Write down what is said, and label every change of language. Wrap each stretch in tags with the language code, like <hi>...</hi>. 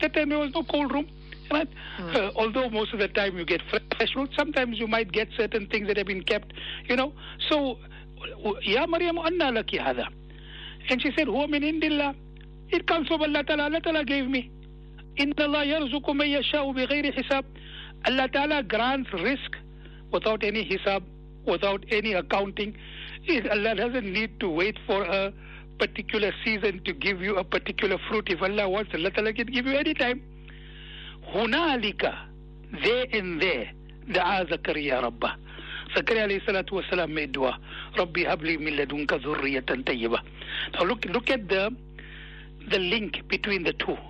<en>That time there was no cold room, right? Although most of the time you get fresh fruit, sometimes you might get certain things that have been kept, you know. So</en> <ar>يا مريم أنى لك هذا؟</ar> <en>And she said,</en> <ar>هو من عند الله.</ar> <en>It comes from Allah Ta'ala. Allah Ta'ala gave me.</en> <ar>إن الله يرزق من يشاء بغير حساب.</ar> <en>Allah Ta'ala grants risk without any حساب, without any accounting. Allah doesn't need to wait for a particular season to give you a particular fruit. If Allah wants, Allah Ta'ala can give you any time.</en> <ar>هنالك,</ar> <en>there and there,</en> <ar>دعا زكريا ربه. زكريا عليه الصلاة والسلام</ar> <en>made dua.</en> <ar>ربي هب لي من لدنك ذرية طيبة.</ar> <en>Now look at the link between the two.</en>